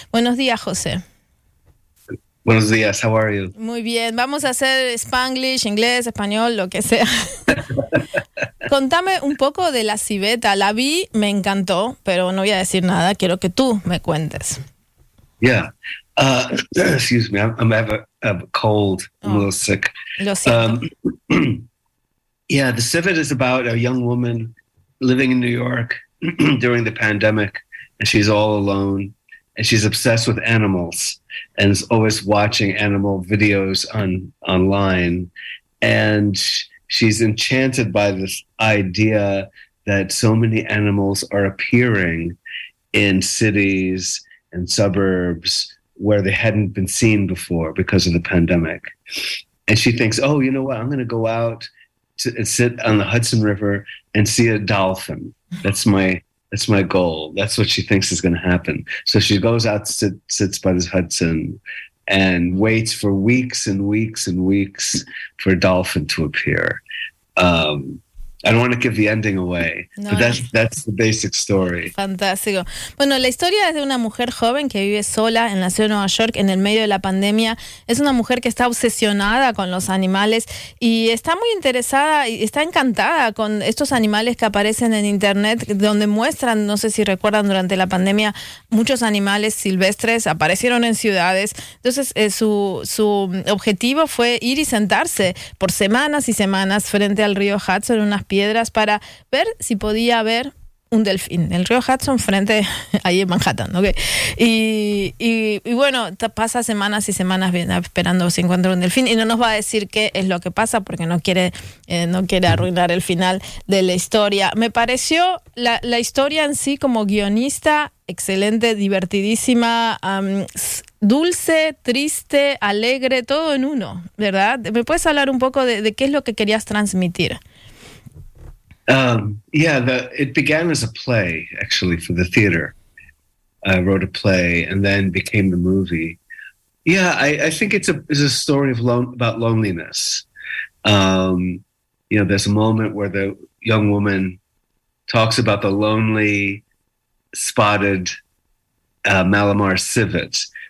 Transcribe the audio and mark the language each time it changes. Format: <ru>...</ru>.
<es>Buenos días, José. Buenos días,</es> <en>how are you?</en> <es>Muy bien, vamos a hacer Spanglish, inglés, español, lo que sea. Contame un poco de La Civeta. La vi, me encantó, pero no voy a decir nada, quiero que tú me cuentes.</es> <en>Yeah, excuse me, I'm having a cold, I'm a little sick.</en> <es>Lo siento.</es> <en>Yeah, The Civet is about a young woman living in New York during the pandemic, and she's all alone, and she's obsessed with animals, and is always watching animal videos online, and she's enchanted by this idea that so many animals are appearing in cities and suburbs where they hadn't been seen before because of the pandemic. And she thinks, oh, you know what? I'm going to go out to sit on the Hudson River and see a dolphin. That's my goal. That's what she thinks is going to happen. So she goes out, sits by the Hudson, and waits for weeks and weeks and weeks for a dolphin to appear. I don't want to give the ending away, no, but that's the basic story.</en> <es>Fantástico. Bueno, la historia es de una mujer joven que vive sola en la ciudad de Nueva York en el medio de la pandemia. Es una mujer que está obsesionada con los animales y está muy interesada y está encantada con estos animales que aparecen en internet, donde muestran, no sé si recuerdan, durante la pandemia muchos animales silvestres aparecieron en ciudades. Entonces su objetivo fue ir y sentarse por semanas y semanas frente al río Hudson, unas piedras, para ver si podía ver un delfín, el río Hudson frente ahí en Manhattan, ¿ok? Y bueno, pasa semanas y semanas esperando si encuentra un delfín, y no nos va a decir qué es lo que pasa porque no quiere arruinar el final de la historia. Me pareció la historia en sí como guionista excelente, divertidísima, dulce, triste, alegre, todo en uno, ¿verdad? ¿Me puedes hablar un poco de qué es lo que querías transmitir?</es> <en>It began as a play, actually, for the theater. I wrote a play and then became the movie. Yeah, I think it's a story of about loneliness. You know, there's a moment where the young woman talks about the lonely spotted Malamar civet.</en>